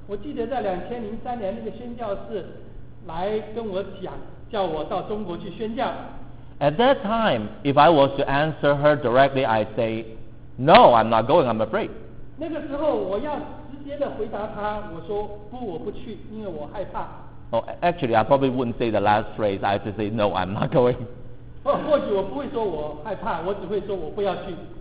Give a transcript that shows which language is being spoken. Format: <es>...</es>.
<zh>我记得在2003年那个宣教士来跟我讲，叫我到中国去宣教。</zh> <en>At that time, if I was to answer her directly, I'd say, No, I'm not going, I'm afraid.</en> <zh>那个时候我要直接的回答他，我说不，我不去，因为我害怕。</zh> <en>Oh, actually, I probably wouldn't say the last phrase. I just say, no, I'm not going.</en> <zh>或许我不会说我害怕，我只会说我不要去。</zh>